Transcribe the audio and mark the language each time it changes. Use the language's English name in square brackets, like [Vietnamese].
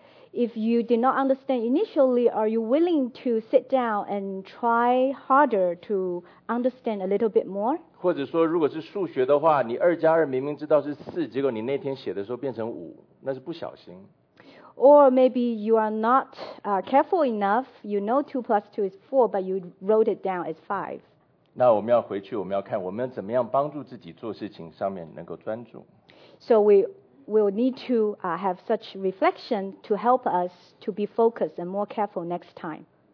[English] If you did not understand initially, are you willing to sit down and try harder to understand a little bit more? [Chinese] 或者说，如果是数学的话，你二加二明明知道是四，结果你那天写的时候变成五，那是不小心。 [English] Or maybe you are not careful enough. You know 2 + 2 = 4, but you wrote it down as 5. [Chinese] 那我们要回去，我们要看我们怎么样帮助自己做事情上面能够专注。 [English] So we will need to have such reflection to help us to be focused and more careful next time.